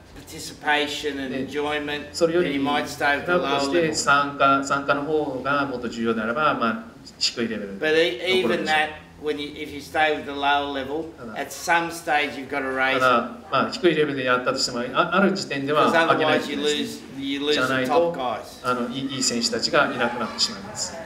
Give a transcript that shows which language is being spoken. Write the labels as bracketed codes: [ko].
[en] participation and enjoyment, then you might stay at the lower level. [ja] 参加の方がもっと重要であれば、まあ、低いレベル。 [en] But even that, if you stay with the lower level, at some stage you've got to raise. [ja] ただ、まあ、低いレベルでやったとしても、ある時点では上げないと。 [en] Because otherwise you lose the top guys. [ja] あの、いい選手たちがいなくなってしまいます。